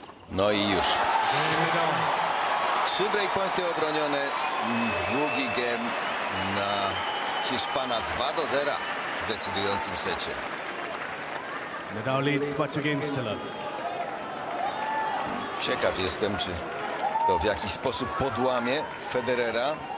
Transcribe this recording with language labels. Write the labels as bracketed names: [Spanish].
[Polish] No i już. Trzy breakpointy obronione, długi gem na Hiszpana, 2-0 w decydującym secie. [English] Nadal leads by two games to love. [Polish] Ciekaw jestem, czy to w jakiś sposób podłamie Federera.